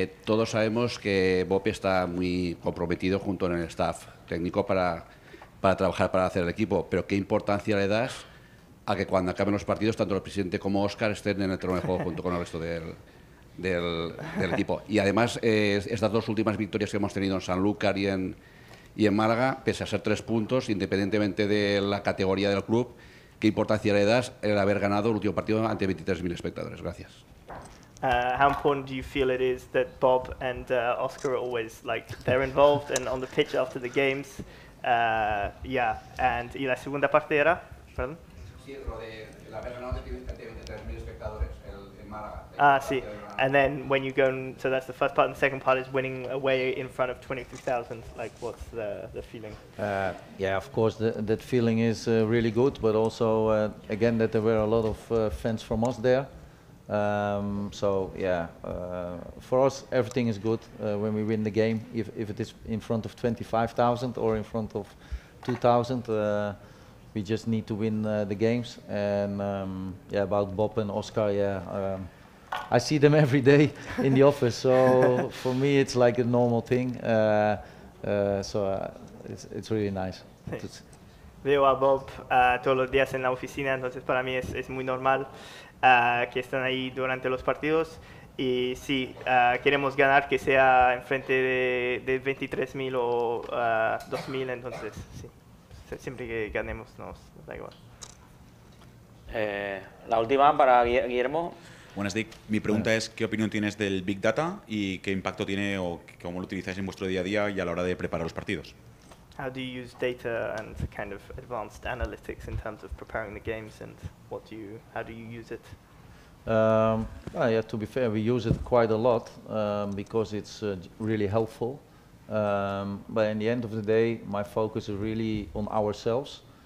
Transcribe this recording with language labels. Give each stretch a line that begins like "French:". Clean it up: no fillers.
Spanish: Todos sabemos que Bob está muy comprometido junto con el staff técnico para trabajar, para hacer el equipo, pero ¿qué importancia le das a que cuando acaben los partidos, tanto el presidente como Óscar estén en el terreno de juego junto con el resto del equipo? Y además, estas dos últimas victorias que hemos tenido en Sanlúcar y en Málaga, pese a ser 3 puntos, independientemente de la categoría del club, ¿qué importancia le das el haber ganado el último partido ante 23.000 espectadores? Gracias.
English: How important do you feel it is that Bob and Oscar are always like they're involved and on the pitch after the games? Yeah, and
Spanish: y la segunda parte era, perdón. Sí, lo de haber ganado ante 23.000 espectadores en Málaga. Ah, sí.
English: And then when you go, so that's the first part. And the second part is winning away in front of 23,000. Like, what's the feeling? Yeah, of course, that feeling is really good. But also, again, that there were a lot of fans from us there. So, for us, everything is good when we win the game. If it is in front of 25,000 or in front of 2,000, we just need to win the games. And yeah, about Bob and Oscar, yeah. I see them every day in the office, so for me it's like a normal thing. It's really nice.
Spanish: Veo a Bob todos los días en la oficina, entonces para mí es muy normal que están ahí durante los partidos. Y sí, queremos ganar, que sea enfrente de 23.000 o 2.000, entonces sí. Siempre que ganemos nos da igual. La última para Guillermo. Buenas, Dick. Mi pregunta es, ¿qué opinión tienes del Big Data y qué impacto tiene o cómo lo utilizáis en vuestro día a día y a la hora de preparar los partidos?
English: How do you use data and kind of advanced analytics in terms of preparing the games and what do you, how do you use it? Yeah, to be fair, we use it quite a lot because it's really helpful. But in the end of the day, my focus is really on ourselves.